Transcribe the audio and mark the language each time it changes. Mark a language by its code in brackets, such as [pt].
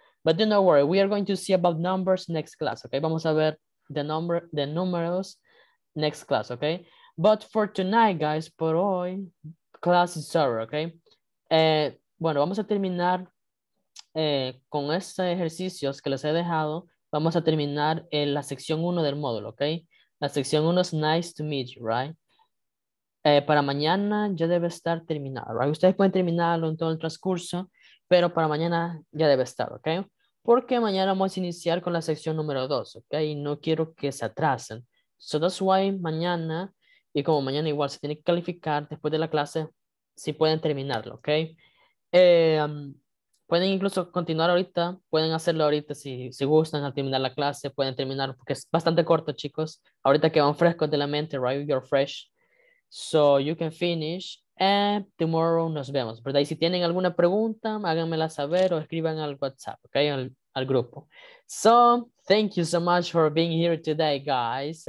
[en] But do not worry, we are going to see about numbers next class, okay? [es] Vamos a ver [en] the numbers next class, okay? But for tonight, guys, [es] por hoy, [en] class is over, okay? [es] Bueno, vamos a terminar con estos ejercicios que les he dejado. Vamos a terminar en la sección 1 del módulo, okay? La sección 1 es nice to meet you, right? Para mañana ya debe estar terminado, right? Ustedes pueden terminarlo en todo el transcurso, pero para mañana ya debe estar, okay? Porque mañana vamos a iniciar con la sección número 2, okay? No quiero que se atrasen. [en] So that's why [es] mañana, y como mañana igual se tiene que calificar después de la clase, si pueden terminarlo, okay? Pueden incluso continuar ahorita, pueden hacerlo ahorita si gustan al terminar la clase, pueden terminar porque es bastante corto, chicos. Ahorita que van frescos de la mente, [en] right? You're fresh. So you can finish and tomorrow [es] nos vemos. Pero ahí si tienen alguna pregunta, háganmela saber o escriban al WhatsApp, okay, al grupo. [en] So thank you so much for being here today, guys.